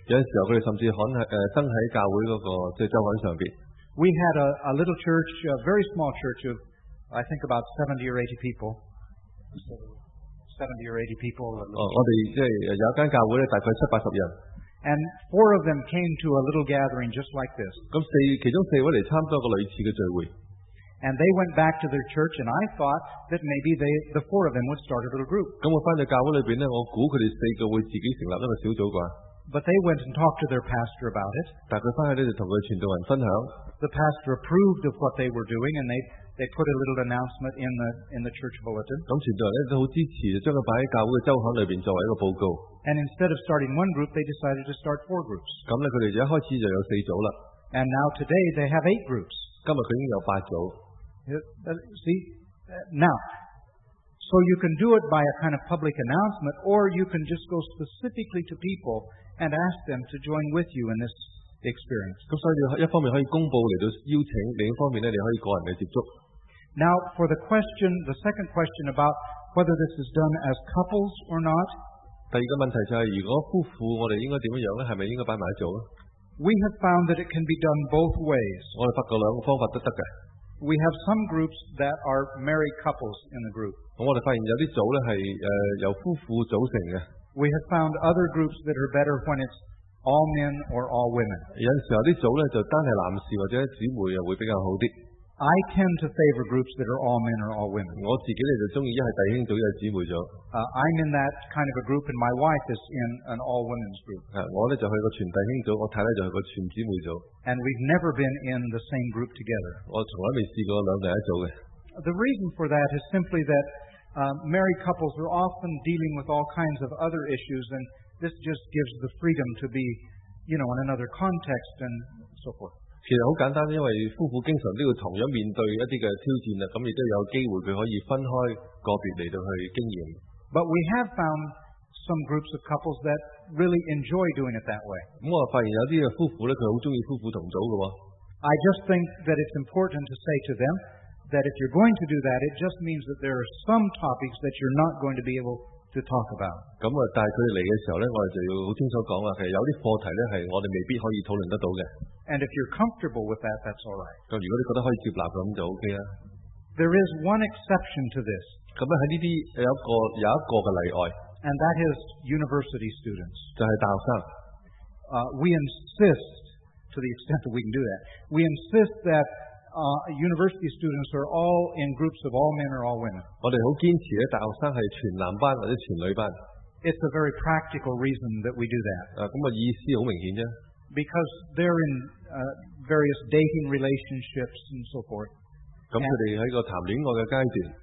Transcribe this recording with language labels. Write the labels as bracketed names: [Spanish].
[Cantonese] 有時候佢哋甚至刊登喺教會嗰個即係周刊上邊。 [English] We had a little church, a very small church of, I think about 70 or 80 people. 70 or 80 people. [Cantonese] 我哋即係有一間教會咧，大概七八十人。 [English] And four of them came to a little gathering just like this. [Cantonese] 咁其中四位嚟參加個類似嘅聚會。 [English] And they went back to their church, and I thought that maybe the four of them would start a little group. [Cantonese] 咁我翻到教会里边咧，我估佢哋四个会自己成立一个小组啩。 [English] But they went and talked to their pastor about it. [Cantonese] 但佢翻去咧就同佢传道人分享。 [English] The pastor approved of what they were doing, and they put a little announcement in the church bulletin. [Cantonese] 咁传道人咧都好支持，将佢摆喺教会嘅周刊里边作为一个报告。 [English] And instead of starting one group, they decided to start four groups. [Cantonese] 咁咧佢哋一开始就有四组啦。 [English] And now today they have eight groups. [Cantonese] 今日佢已经有八组。 [English] See, now, so you can do it by a kind of public announcement, or you can just go specifically to people and ask them to join with you in this experience. [Cantonese] 咁所以一方面可以公布嚟到邀请，另一方面咧你可以个人嚟接触。 [English] Now, for the question, the second question about whether this is done as couples or not. [Cantonese] 第二个问题就系如果夫妇，我哋应该点样咧？系咪应该摆埋一组咧？ [English] We have found that it can be done both ways. [Cantonese] 我哋发觉两个方法都得嘅。 [English] We have some groups that are married couples in the group. [Cantonese] 我哋發現有啲組咧係由夫婦組成嘅。 [English] We have found other groups that are better when it's all men or all women. [Cantonese] 有時候啲組咧就單係男士或者姊妹啊會比較好啲。 [English] I tend to favor groups that are all men or all women. [Cantonese] 我自己咧就中意一係弟兄組一係姊妹組。 [English] I'm in that kind of a group, and my wife is in an all women's group. [Cantonese] 我咧就去個全弟兄組，我太太就去個全姊妹組。 [English] And we've never been in the same group together. [Cantonese] 我從來未試過兩個人一組嘅。 [English] The reason for that is simply that married couples are often dealing with all kinds of other issues, and this just gives the freedom to be, you know, in another context and so forth. [Cantonese] 其实好简单，因为夫妇经常都要同样面对一啲嘅挑战啦，咁亦都有机会佢可以分开个别嚟到去经验。 [English] But we have found some groups of couples that really enjoy doing it that way。 [Cantonese] 咁我发现有啲嘅夫妇咧，佢好中意夫妇同组嘅。 [English] I just think that it's important to say to them that if you're going to do that, it just means that there are some topics that you're not going to be able to talk about。 [Cantonese] 咁啊，但系佢哋嚟嘅时候咧，我哋就要好清楚讲啦，其实有啲课题咧系我哋未必可以讨论得到嘅。 [English] And if you're comfortable with that, that's all right. [Cantonese] 咁如果你覺得可以接納咁就 OK 啦。 [English] There is one exception to this. [Cantonese] 咁喺呢啲有一個嘅例外。 [English] And that is university students. [Cantonese] 就係大學生。 [English] We insist to the extent that we can do that. We insist that university students are all in groups of all men or all women. [Cantonese] 我哋好堅持咧，大學生係全男班或者全女班。 [English] It's a very practical reason that we do that. [Cantonese] 咁意思好明顯啫。 [English] Because they're in various dating relationships and so forth. [Cantonese] 咁佢哋喺個談戀愛嘅階段。